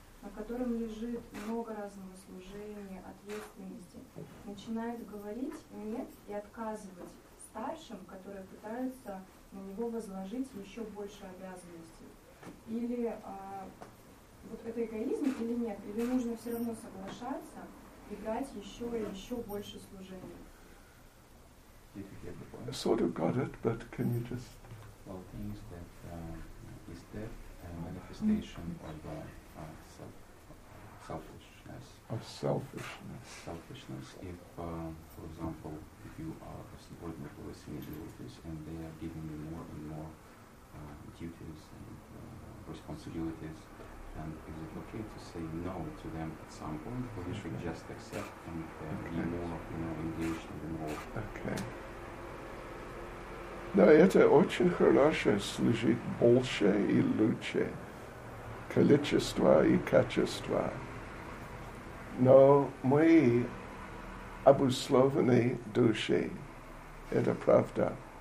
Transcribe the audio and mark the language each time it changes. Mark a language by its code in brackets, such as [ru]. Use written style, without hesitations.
[ru] на котором лежит много разного служения, ответственности, начинает говорить «нет» и отказывать старшим, которые пытаются на него возложить еще больше обязанностей. Или вот это эгоизм или нет? Или нужно все равно соглашаться и брать еще и еще больше служения? [en] I sort of got it, but can you just... Well, things that is that a manifestation of selfishness? Of selfishness. Selfishness. If, for example, if you are a subordinate of a senior devotees and they are giving you more and more duties and responsibilities, then is it okay to say no to them at some point, or you should just accept and be more, you know, engaged and involved? Okay. [ru] Но это очень хорошо служить больше и лучше, количество и качество. Но мы обусловлены души, это правда.